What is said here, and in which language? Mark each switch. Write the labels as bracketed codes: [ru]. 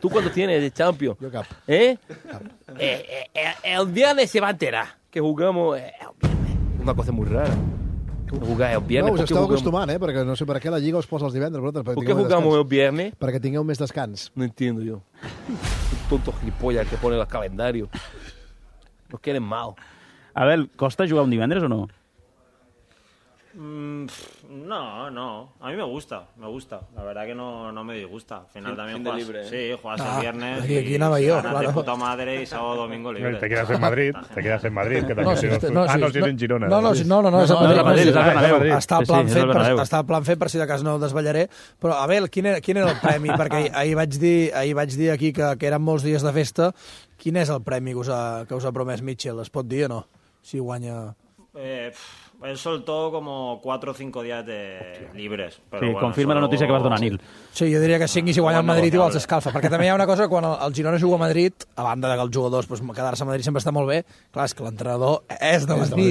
[es] ¿Tú cuánto tienes de Champions? [ca] Yo cap. ¿Eh? Cap. [es] El viernes se va a enterar que jugamos el viernes. Una cosa muy rara. Jugar el viernes. [ca] No, us esteu acostumant, perquè no sé per què la Lliga us posa els divendres. Vosaltres, [es] ¿por qué jugamos el viernes? [ca] Perquè tingueu més descans. [es] No entiendo yo. Tonto gilipollas que pone el calendario. Nos quieren mal. A ver, [ca] ¿costa jugar un divendres o no? [es] No. A mí me gusta. La verdad que no me disgusta. Al final también juegas. Libre, ¿eh? Sí, juegas el viernes. Aquí nada yo, claro. De puta madre y sábado, domingo libre. Te quedas en Madrid. Que no, si no, si, no, si, no, si, en Girona. No, [ca] és a Madrid. Està el plan fet, per si de cas no el desvetllaré. Però, Abel, quin era el premi? Perquè ahir vaig dir aquí que eren molts dies de festa. Quin és el premi que us ha promès Mitchell? Es pot dir o no? Si guanya... [es] Él soltó como 4 o 5 días de libres. Pero sí, bueno, confirma la noticia que vas a donar, Nil. Sí, yo diría que 5 y [ca] si guanya el Madrid igual se escalfa. [es] Porque también hay una cosa, cuando el Girona juega a Madrid, [ca] a banda de que [es] el jugador pues, quedarse a Madrid siempre está muy bien, claro, es que el entrenador es de Madrid.